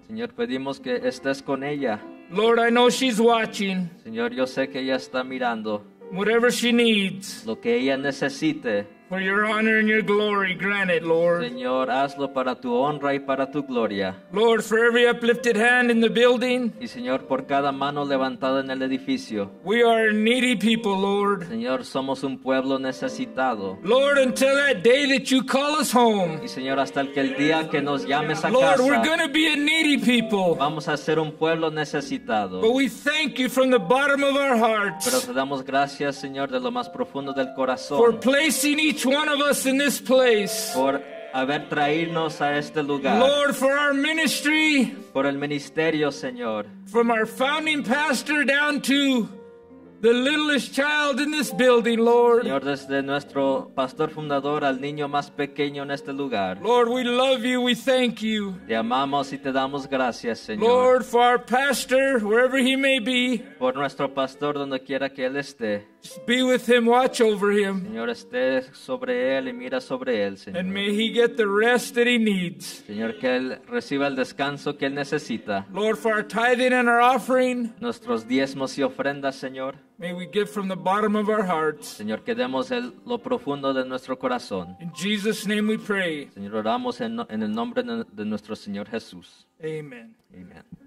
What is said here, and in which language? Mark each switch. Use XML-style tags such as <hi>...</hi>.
<es>Señor, pedimos que estés con ella.</es> <en>Lord, I know she's watching.</en> <es>Señor, yo sé que ella está mirando.</es> <en>Whatever she needs.</en> <es>Lo que ella necesite.</es> <en>For your honor and your glory, grant it, Lord.</en> <es>Señor, hazlo para tu honra y para tu gloria.</es> <en>Lord, for every uplifted hand in the building.</en> <es>Y Señor, por cada mano levantada en el edificio.</es> <en>We are needy people, Lord.</en> <es>Señor, somos un pueblo necesitado.</es> <en>Lord, until that day that you call us home.</en> <es>Y Señor, hasta el día que nos llames a</es> <en>Lord, Lord, we're going to be a needy people.</en> <es>Vamos a ser un pueblo necesitado.</es> <en>But we thank you from the bottom of our hearts.</en> <es>Pero te damos gracias, Señor, de lo más profundo del corazón.</es> <en>For placing each one of us in this place.</en> <es>Por haber traernos a este lugar.</es> <en>Lord, for our ministry.</en> <es>Por el ministerio, Señor.</es> <en>From our founding pastor down to the littlest child in this building, Lord.</en> <es>Señor, desde nuestro pastor fundador al niño más pequeño en este lugar.</es> <en>Lord, we love you, we thank you.</en> <es>Te amamos y te damos gracias, Señor.</es> <en>Lord, for our pastor, wherever he may be.</en> <es>Por nuestro pastor, donde quiera que él esté.</es> <en>Just be with him, watch over him.</en> <es>Señor, esté sobre él y mira sobre él, Señor.</es> <en>And may he get the rest that he needs.</en> <es>Señor, que él reciba el descanso que él necesita.</es> <en>Lord, for our tithing and our offering.</en> <es>Nuestros diezmos y ofrendas, Señor.</es> <en>May we give from the bottom of our hearts.</en> <es>Señor, que demos lo profundo de nuestro corazón.</es> <en>In Jesus' name we pray.</en> <es>Señor, oramos en el nombre de nuestro Señor Jesús.</es> <en>Amen.</en> <es>Amen.</es>